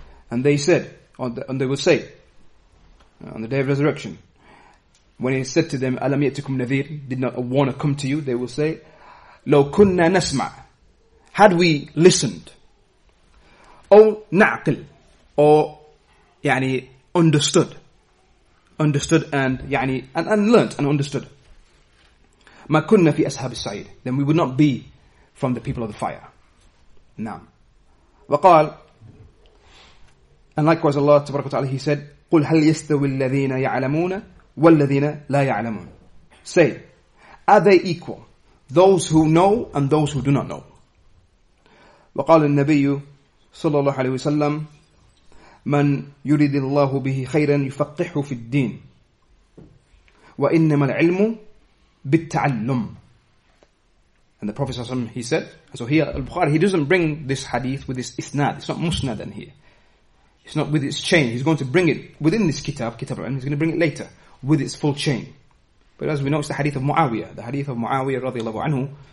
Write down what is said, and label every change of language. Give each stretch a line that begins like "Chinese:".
English: And they said, and they will say, on the Day of Resurrection, when he said to them,
Arabic: أَلَمْ يَأْتِكُمْ نَذِيرٌ,
English: did not a warner come to you, they will say,
Arabic: لَوْ كُنَّا نَسْمَعْ,
English: had we listened,
Arabic: أَوْ نَعْقِلْ,
English: or, يعني, understood, understood and يعني and learnt and understood.
Arabic: ما كنا في أصحاب السعيد.
English: Then we would not be from the people of the fire.
Arabic: نعم. وقال
English: and likewise Allah
Arabic: تبارك وتعالى
English: He said
Arabic: قل هل يستوي الذين يعلمون والذين لا يعلمون.
English: Say, are they equal? Those who know and those who do not know.
Arabic: وقال النبي صلى الله عليه وسلم من يريد الله به خيرا يفقهه في الدين وإنما العلم بالتعلم.
English: And the Prophet صلى الله عليه وسلم he said, so here al-Bukhari he doesn't bring this hadith with this isnad, it's not musnad in here, it's not with its chain, he's going to bring it within this kitab, kitab al-ilm, he's going to bring it later with its full chain, but as we know it's the hadith of Muawiyah, the hadith of Muawiyah radiallahu anhu.